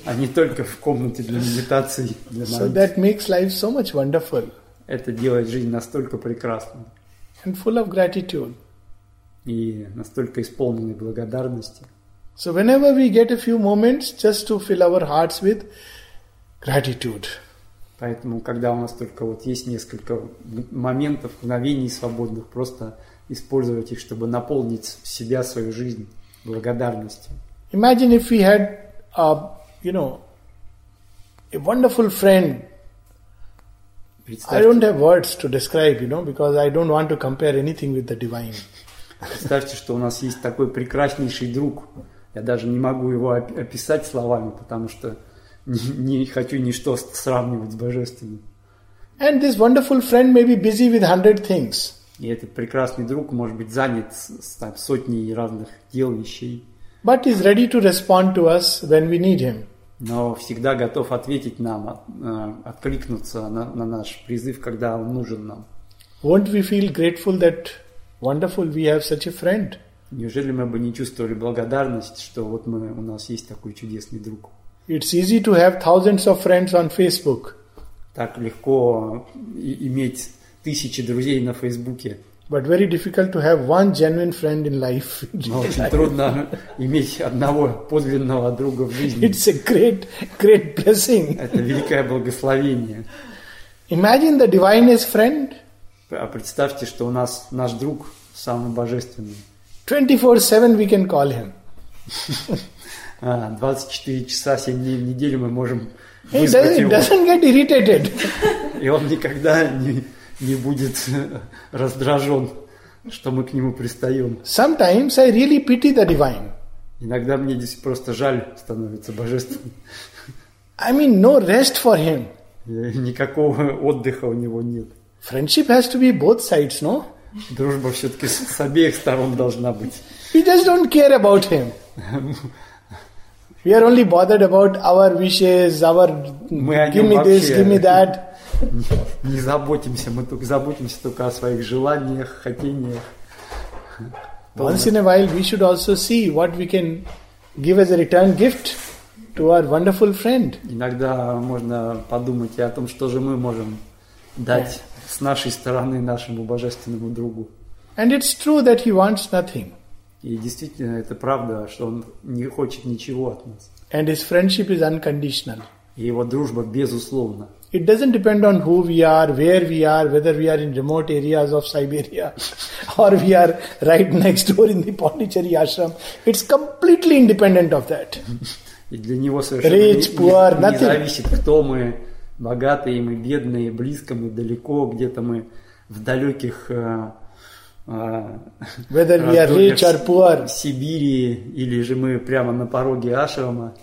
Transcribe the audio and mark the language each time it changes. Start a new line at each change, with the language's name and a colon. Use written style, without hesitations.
Russian: А не только в комнате для медитации.
English: So that makes life so much wonderful.
Russian: Это делает жизнь настолько прекрасной.
English: And full of gratitude.
Russian: И настолько исполненной благодарности.
English: So whenever we get a few moments, just to fill our hearts with gratitude.
Russian: Поэтому, когда у нас только вот есть несколько моментов, мгновений свободных, просто использовать их, чтобы наполнить себя, свою жизнь благодарностью.
English: Imagine if we had, you know, a wonderful friend.
Russian: Представьте.
English: I don't have words to describe, you know, because I don't want to compare anything with the divine.
Russian: Представьте, что у нас есть такой прекраснейший друг. Я даже не могу его описать словами, потому что не хочу ничто сравнивать с божественным.
English: And this wonderful friend may be busy with 100 things.
Russian: И этот прекрасный друг может быть занят сотней разных дел, вещей.
English: But is ready to respond to us when we need him.
Russian: Но всегда готов ответить нам, откликнуться на наш призыв, когда он нужен нам.
English: Won't we feel grateful that wonderful we have such a friend?
Russian: Неужели мы бы не чувствовали благодарность, что вот мы, у нас есть такой чудесный друг?
English: It's easy to have thousands of friends on Facebook.
Russian: Так легко иметь тысячи друзей на Фейсбуке.
English: But very difficult to have one genuine friend in life.
Russian: Но очень трудно иметь одного подлинного друга в жизни.
English: It's a great blessing.
Russian: Это великое благословение.
English: Imagine the divine is friend.
Russian: Представьте, что у нас наш друг самый божественный.
English: 24/7 we can call him.
Russian: 24 часа 7 дней в неделю мы можем вызвать его.
English: He doesn't get irritated.
Russian: И он никогда не будет раздражен, что мы к нему пристаем.
English: Sometimes I really pity the divine.
Russian: Иногда мне здесь просто жаль становится божественным.
English: I mean, no rest for him.
Russian: Никакого отдыха у него нет.
English: Friendship has to be both sides, no?
Russian: Дружба все-таки с обеих сторон должна быть.
English: We just don't care about him. We are only bothered about our wishes, our give me this, give me that.
Russian: Не заботимся, мы только заботимся только о своих желаниях, хотениях.
English: Once in a while we should also see what we can give as a return gift to our wonderful friend.
Russian: Иногда можно подумать и о том, что же мы можем дать с нашей стороны нашему божественному другу.
English: And it's true that he wants nothing.
Russian: И действительно, это правда, что он не хочет ничего от нас.
English: And his friendship is unconditional.
Russian: И его дружба безусловна.
English: It doesn't depend on who we are, where we are, whether we are in remote areas of Siberia or we are right next door in the Pondicherry ashram. It's completely independent of that.
Russian: И для него
English: rich, poor, nothing.
Russian: Не зависит, кто мы, богатые мы, бедные, близко мы, далеко, где-то мы в далеких
English: Whether we are rich or poor,
Russian: Сибири или же мы прямо на пороге ашрама.